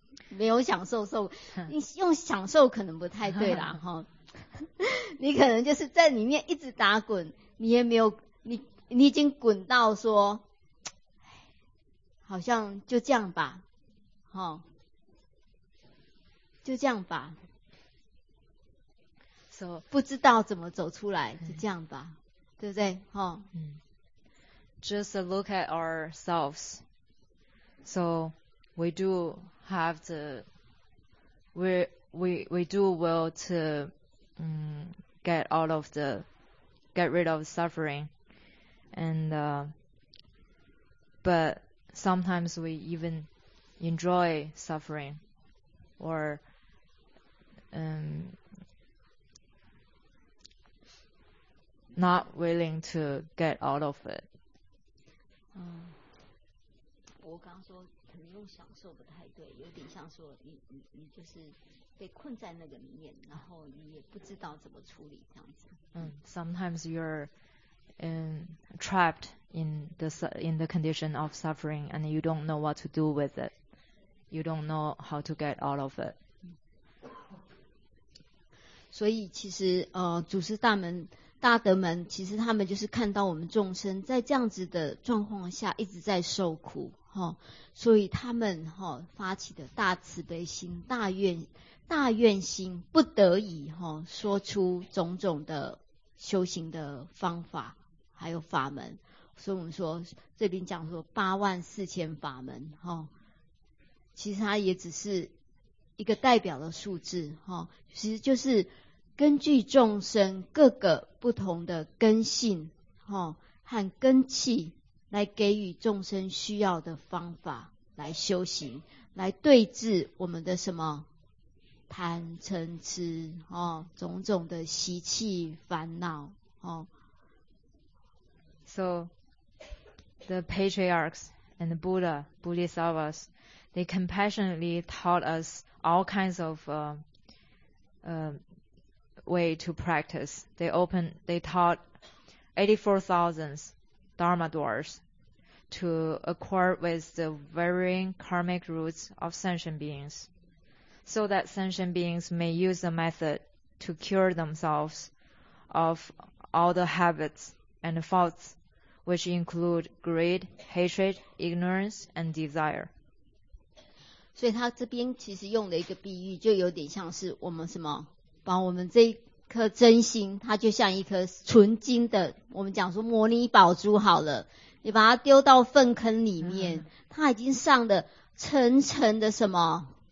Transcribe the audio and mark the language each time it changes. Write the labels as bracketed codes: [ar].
[zh] 没有享受受，你用享受可能不太对啦，哈你可能就是在里面一直打滚，你也没有，你已经滚到说，好像就这样吧，哈，就这样吧。 [en] So, [zh] 不知道怎么走出来，就这样吧，对不对？哈。 [en] Just look at ourselves. So we do have the we do well to get rid of suffering, and but sometimes we even enjoy suffering, or not willing to get out of it. [zh] 我刚说可能用享受不太对，有点像说你就是被困在那个里面，然后你也不知道怎么处理这样子。 [en] Sometimes you're trapped in the condition of suffering, and you don't know what to do with it. You don't know how to get out of it. [zh] 所以其实祖师大门大德们，其实他们就是看到我们众生在这样子的状况下一直在受苦，所以他们发起的大慈悲心、大愿心，不得已说出种种的修行的方法还有法门。所以我们说这边讲说八万四千法门，其实它也只是一个代表的数字，其实就是根据众生各个不同的根性和根气，来给予众生需要的方法来修行，来对治我们的什么贪嗔痴哦，种种的习气烦恼哦。 [en] So the patriarchs and the Buddha, Bodhisattvas, they compassionately taught us all kinds of way to practice. They taught 84,000 Dharma doors to accord with the varying karmic roots of sentient beings, so that sentient beings may use the method to cure themselves of all the habits and faults, which include greed, hatred, ignorance, and desire. [zh] 所以他这边其实用了一个比喻，就有点像是我们什么，把我们这一颗真心，它就像一颗纯金的，我们讲说摩尼宝珠好了，你把它丢到粪坑里面，它已经上了层层的什么